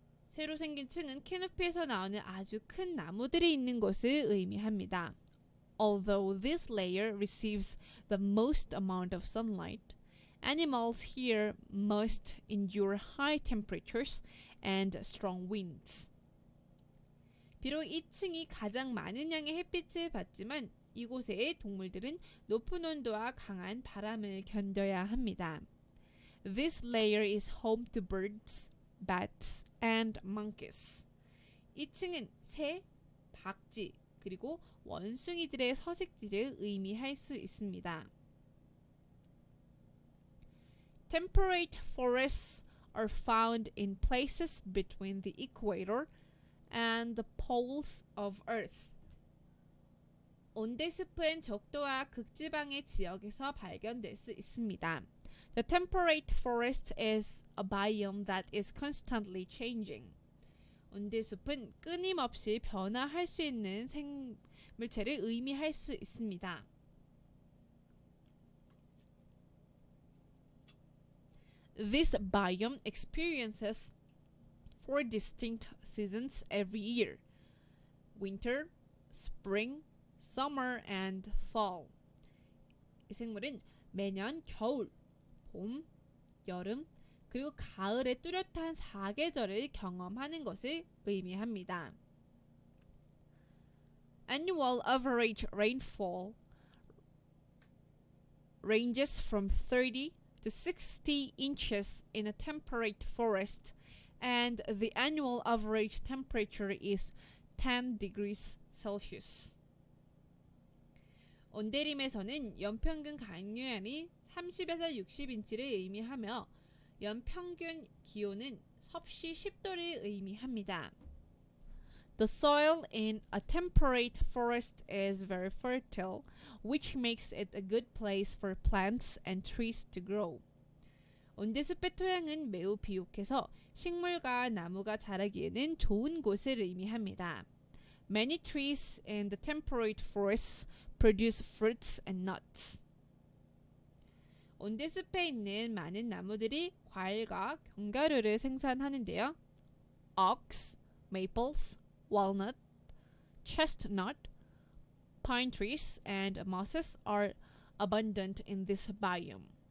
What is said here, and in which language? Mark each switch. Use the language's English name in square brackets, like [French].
[Korean] 새로 생긴 층은 캐노피에서 나오는 아주 큰 나무들이 있는 곳을 의미합니다. [English] Although this layer receives the most amount of sunlight, animals here must endure high temperatures and strong winds. [Korean] 비록 2층이 가장 많은 양의 햇빛을 받지만 이곳의 동물들은 높은 온도와 강한 바람을 견뎌야 합니다. [English] This layer is home to birds, bats, and monkeys. [Korean] 2층은 새, 박쥐, 그리고 원숭이들의 서식지를 의미할 수 있습니다. [English] Temperate forests are found in places between the equator and the poles of Earth. [Korean] 온대숲은 적도와 극지방의 지역에서 발견될 수 있습니다. [English] The temperate forest is a biome that is constantly changing. [Korean] 온대숲은 끊임없이 변화할 수 있는 생물체를 의미할 수 있습니다. [English] This biome experiences four distinct seasons every year: winter, spring, summer, and fall. [Korean] 이 생물은 매년 겨울, 봄, 여름, 그리고 가을의 뚜렷한 사계절을 경험하는 것을 의미합니다. [English] Annual average rainfall ranges from 30 to 60 inches in a temperate forest, and the annual average temperature is 10 degrees Celsius. [Korean] 온대림에서는 연평균 강수량이 30에서 60인치를 의미하며 연평균 기온은 섭씨 10도를 의미합니다. [English] The soil in a temperate forest is very fertile, which makes it a good place for plants and trees to grow. [Korean] 온대숲의 토양은 매우 비옥해서 식물과 나무가 자라기에는 좋은 곳을 의미합니다. [English] Many trees in the temperate forests produce fruits and nuts. [Korean] 온대숲에 있는 많은 나무들이 과일과 견과류를 생산하는데요. [English] Ox, maples, walnut, chestnut, pine trees, and mosses are abundant in this biome.